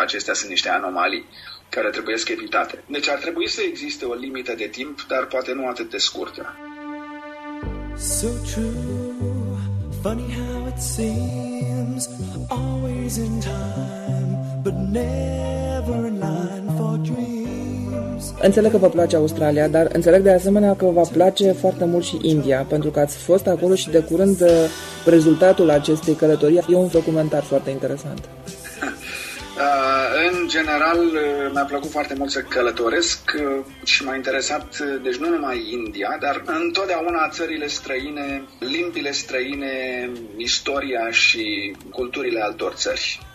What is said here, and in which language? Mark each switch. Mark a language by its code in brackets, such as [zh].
[ro] Acestea sunt niște anomalii care trebuie evitate. Deci ar trebui să existe o limită de timp, dar poate nu atât de scurtă. [en] So true, funny how it seems, always in time, but never in line for dreams. [ro] Înțeleg că vă place Australia, dar înțeleg de asemenea că vă place foarte mult și India, pentru că ați fost acolo și de curând rezultatul acestei călătorii e un documentar foarte interesant. În general, mi-a plăcut foarte mult să călătoresc și m-a interesat, deci nu numai India, dar întotdeauna țările străine, limbile străine, istoria și culturile altor țări.